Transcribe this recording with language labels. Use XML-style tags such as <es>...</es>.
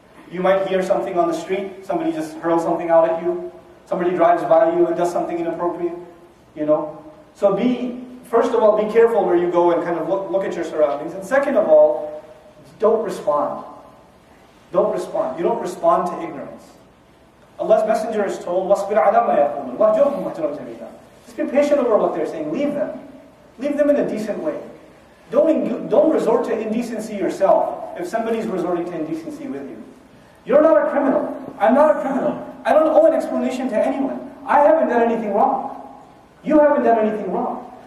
<en>You might hear something on the street, somebody just hurls something out at you, somebody drives by you and does something inappropriate, you know? So first of all, be careful where you go and kind of look at your surroundings. And second of all, don't respond. Don't respond. You don't respond to ignorance. Allah's Messenger is told,</en> <ar>وَاسْبِرْ عَلَى مَا يَقُولُونَ وَاهْجُرْهُمْ وَاهْجُرْهُمْ جَمِيلًا.</ar> <en>Just be patient over what they're saying. Leave them. Leave them in a decent way. Don't resort to indecency yourself if somebody's resorting to indecency with you. You're not a criminal. I'm not a criminal. I don't owe an explanation to anyone. I haven't done anything wrong. You haven't done anything wrong.</en>